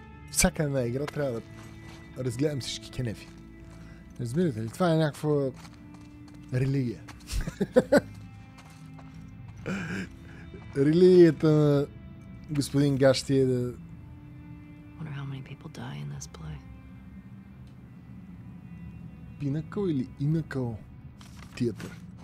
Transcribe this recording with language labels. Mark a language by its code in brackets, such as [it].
[bg] Всяка една игра трябва да разгледам всички кенефи. Разбирате ли, това е някаква религия. Религията на господин Гащи е да... [en] Wonder how many people die in this play. [bg] Пинакъл или инакъл театър?